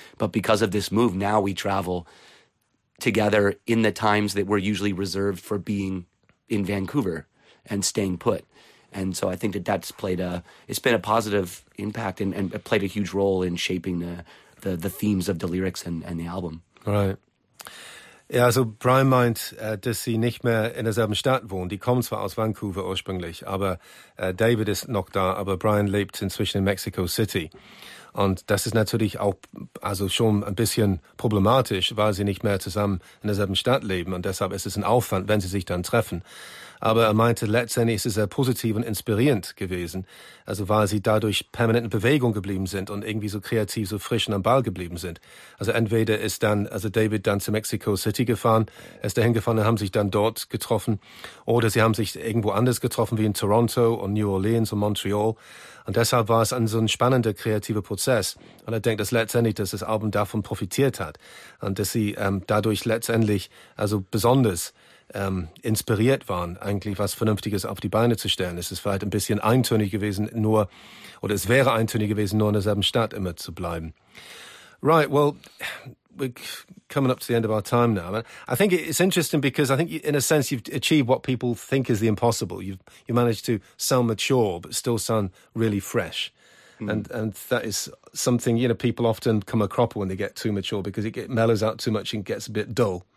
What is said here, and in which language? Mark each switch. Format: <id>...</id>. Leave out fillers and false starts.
<en>But because of this move, now we travel together in the times that were usually reserved for being in Vancouver and staying put. And so I think that that's played it's been a positive impact and played a huge role in shaping the themes of the lyrics and the album. Right.</en> <de>Ja, also Brian meint, dass sie nicht mehr in derselben Stadt wohnen. Die kommen zwar aus Vancouver ursprünglich, aber David ist noch da, aber Brian lebt inzwischen in Mexico City. Und das ist natürlich auch also schon ein bisschen problematisch, weil sie nicht mehr zusammen in derselben Stadt leben. Und deshalb ist es ein Aufwand, wenn sie sich dann treffen. Aber er meinte, letztendlich ist es sehr positiv und inspirierend gewesen. Also weil sie dadurch permanent in Bewegung geblieben sind und irgendwie so kreativ, so frisch und am Ball geblieben sind. Also entweder ist dann, also David dann zu Mexico City gefahren, ist dahin gefahren und haben sich dann dort getroffen. Oder sie haben sich irgendwo anders getroffen, wie in Toronto und New Orleans und Montreal. Und deshalb war es ein so ein spannender, kreativer Prozess. Und er denkt, dass letztendlich, dass das Album davon profitiert hat. Und dass sie dadurch letztendlich, also besonders inspiriert waren, eigentlich was Vernünftiges auf die Beine zu stellen. Es ist vielleicht ein bisschen eintönig gewesen, nur in derselben Stadt immer zu bleiben.</de> <en>Right, well, we're coming up to the end of our time now. I think it's interesting because I think, in a sense, you've achieved what people think is the impossible. You've managed to sound mature but still sound really fresh. Mm. And that is something, you know, people often come a cropper when they get too mature because it mellows out too much and gets a bit dull.</en>